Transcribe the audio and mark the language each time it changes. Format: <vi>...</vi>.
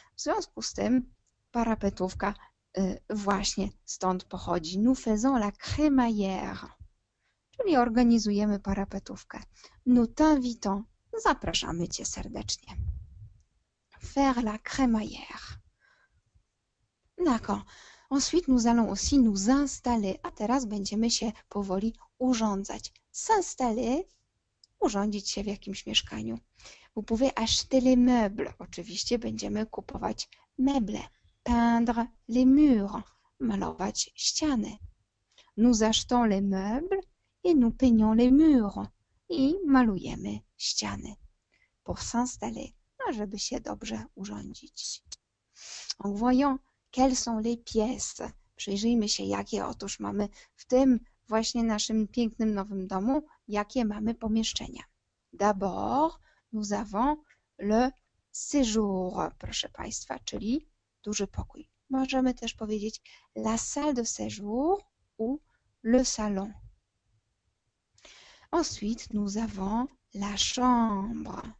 <pl>W związku z tym parapetówka właśnie stąd pochodzi.</pl> <fr>Nous faisons la crémaillère,</fr> <pl>czyli organizujemy parapetówkę.</pl> <fr>Nous t'invitons,</fr> <pl>zapraszamy Cię serdecznie.</pl> <fr>Faire la crémaillère. D'accord. Ensuite nous allons aussi nous installer.</fr> <pl>A teraz będziemy się powoli urządzać.</pl> <fr>S'installer,</fr> <pl>urządzić się w jakimś mieszkaniu.</pl> <fr>Vous pouvez acheter les meubles.</fr> <pl>Oczywiście będziemy kupować meble.</pl> <fr>Peindre les murs.</fr> <pl>Malować ściany.</pl> <fr>Nous achetons les meubles et nous peignons les murs.</fr> <pl>I malujemy ściany.</pl> <fr>Pour s'installer.</fr> <pl>Żeby się dobrze urządzić.</pl> <fr>Donc voyons, quelles sont les pièces.</fr> <pl>Przyjrzyjmy się, jakie otóż mamy w tym właśnie naszym pięknym nowym domu, jakie mamy pomieszczenia.</pl> <fr>D'abord, nous avons le séjour,</fr> <pl>proszę Państwa, czyli duży pokój. Możemy też powiedzieć</pl> <fr>la salle de séjour ou le salon. Ensuite, nous avons la chambre.</fr>